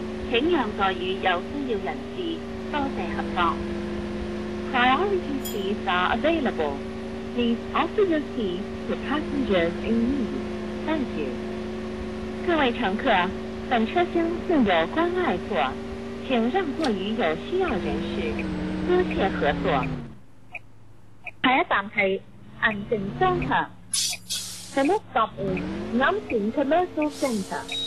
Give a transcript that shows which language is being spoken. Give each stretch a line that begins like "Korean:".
Chinese: 请让座予有需要人士，多谢合作。
English: Priority seats are available. Please offer your tea to passengers in need. Thank you.
Chinese: 各位乘客，本车厢自有关爱座，请让座于有需要人士，多谢合作。下一站是银城商场。
English: The next stop is 银城 Commercial Center.